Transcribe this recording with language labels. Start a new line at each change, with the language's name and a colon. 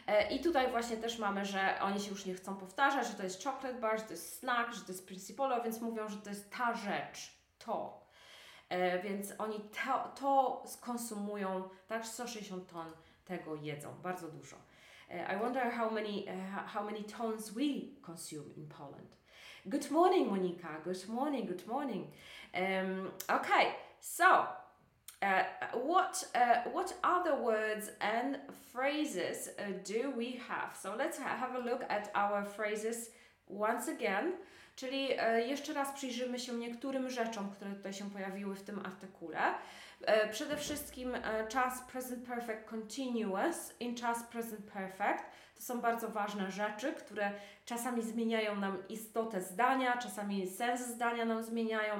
Polish: I tutaj właśnie też mamy, że oni się już nie chcą powtarzać, że to jest chocolate bar, że to jest snack, że to jest Principolo, więc mówią, że to jest ta rzecz, to. Więc oni to skonsumują, tak, 160 ton tego jedzą, bardzo dużo.
English: I wonder how many tons we consume in Poland. Good morning, Monika. Good morning. Okay, so what other words and phrases do we have? So let's have a look at our phrases once again.
Polish: Czyli jeszcze raz przyjrzymy się niektórym rzeczom, które tutaj się pojawiły w tym artykule. Przede wszystkim czas present perfect continuous in czas present perfect. To są bardzo ważne rzeczy, które czasami zmieniają nam istotę zdania, czasami sens zdania nam zmieniają.